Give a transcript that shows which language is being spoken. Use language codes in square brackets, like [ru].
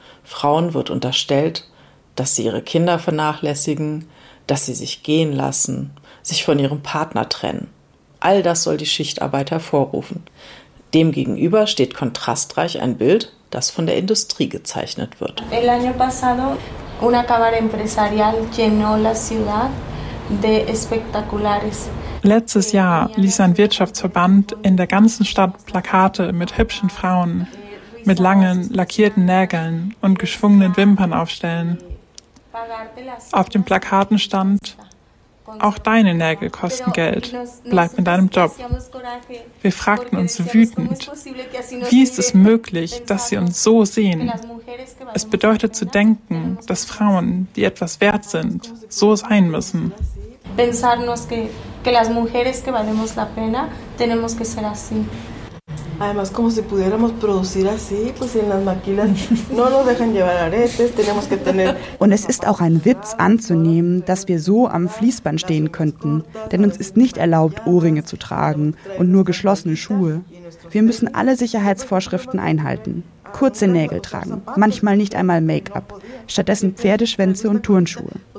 [de] Frauen wird unterstellt, dass sie ihre Kinder vernachlässigen, dass sie sich gehen lassen, sich von ihrem Partner trennen. All das soll die Schichtarbeit hervorrufen. Demgegenüber steht kontrastreich ein Bild, das von der Industrie gezeichnet wird. [es] El año pasado, una cámara empresarial llenó la ciudad de espectaculares. [de] Letztes Jahr ließ ein Wirtschaftsverband in der ganzen Stadt Plakate mit hübschen Frauen, mit langen, lackierten Nägeln und geschwungenen Wimpern aufstellen. Auf den Plakaten stand: Auch deine Nägel kosten Geld. Bleib in deinem Job. Wir fragten uns wütend, wie ist es möglich, dass sie uns so sehen? Es bedeutet zu denken, dass Frauen, die etwas wert sind, so sein müssen. [es] Además, como si pudiéramos producir así, pues en las maquilas no nos dejan llevar aretes, tenemos que tener. [de] Und es ist auch ein Witz anzunehmen, dass wir so am Fließband stehen könnten, denn uns ist nicht erlaubt, Ohrringe zu tragen und nur geschlossene Schuhe. Wir müssen alle Sicherheitsvorschriften einhalten. Kurze Nägel tragen, manchmal nicht einmal Make-up, stattdessen Pferdeschwänze und Turnschuhe.